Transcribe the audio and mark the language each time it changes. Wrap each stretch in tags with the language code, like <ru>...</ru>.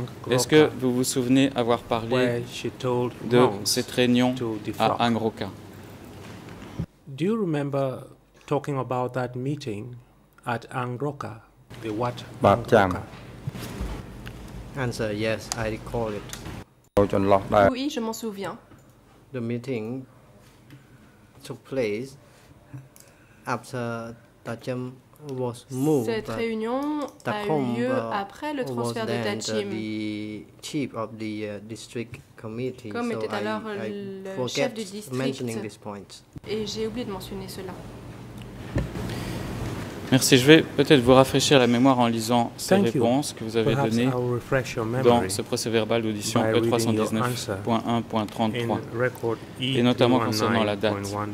<fr>Est-ce que vous vous souvenez avoir parlé de cette réunion à Angroka?</fr> <en>Do you remember talking about that meeting at Angroka, the Wat Angroka? Answer, yes, I recall it.</en> <fr>Oui, je m'en souviens.</fr> <en>The meeting took place after Thachum was moved.</en> <fr>Cette réunion a eu lieu après le transfert de Thachum.</fr> <en>The chief of the district committee.</en> <fr>Comme était alors le chef du district.</fr> <en>This point.</en> <fr>Et j'ai oublié de mentionner cela. Merci. Je vais peut-être vous rafraîchir la mémoire en lisant ces réponses que vous avez données dans ce procès-verbal d'audition E319.1.33 et notamment concernant la date.</fr>